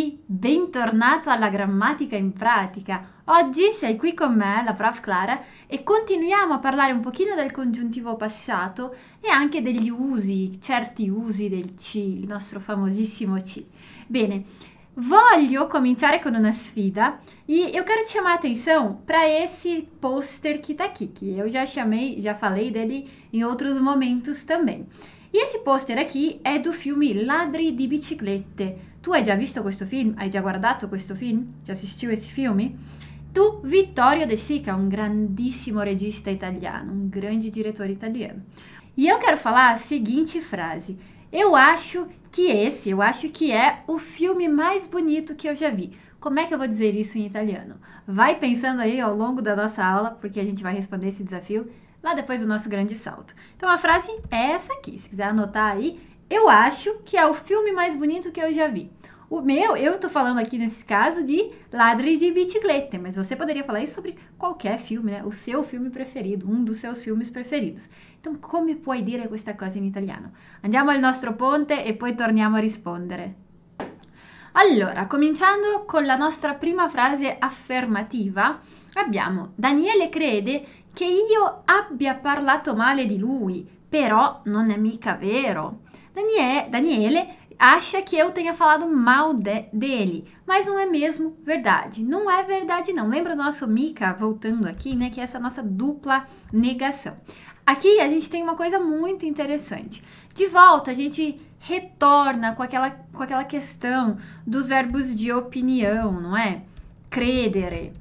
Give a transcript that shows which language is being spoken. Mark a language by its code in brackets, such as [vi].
[it] Bentornato alla grammatica in pratica. Oggi sei qui con me, la prof Clara, e continuiamo a parlare un pochino del congiuntivo passato e anche degli usi, certi usi del ci, il nostro famosissimo ci. Bene, voglio cominciare con una sfida. [pt] Eu quero chamar a atenção para esse pôster que tá aqui, que eu já chamei, já falei dele em outros momentos também. E esse pôster aqui é do filme Ladri di biciclette. [it] Tu hai già visto questo film? Hai già guardato questo film? Già assistito a questi film? Tu, Vittorio De Sica, un grandissimo regista italiano, un grande direttore italiano. [pt] E eu quero falar a seguinte frase. Eu acho que é o filme mais bonito que eu já vi. Como é que eu vou dizer isso em italiano? Vai pensando aí ao longo da nossa aula, porque a gente vai responder esse desafio lá depois do nosso grande salto. Então a frase é essa aqui, se quiser anotar aí. Eu acho que é o filme mais bonito que eu já vi. O meu, eu tô falando aqui nesse caso de Ladri di biciclette, mas você poderia falar isso sobre qualquer filme, né? O seu filme preferido, um dos seus filmes preferidos. Então, como [it] puoi dire questa cosa in italiano? Andiamo al nostro ponte e poi torniamo a rispondere. Allora, cominciando con la nostra prima frase affermativa, abbiamo Daniele crede che io abbia parlato male di lui, però non è mica vero. [pt] Daniele acha que eu tenha falado mal dele, mas não é mesmo verdade. Não é verdade, não. Lembra do nosso Mika voltando aqui, né? Que é essa nossa dupla negação. Aqui a gente tem uma coisa muito interessante. De volta, a gente retorna com aquela questão dos verbos de opinião, não é? Credere.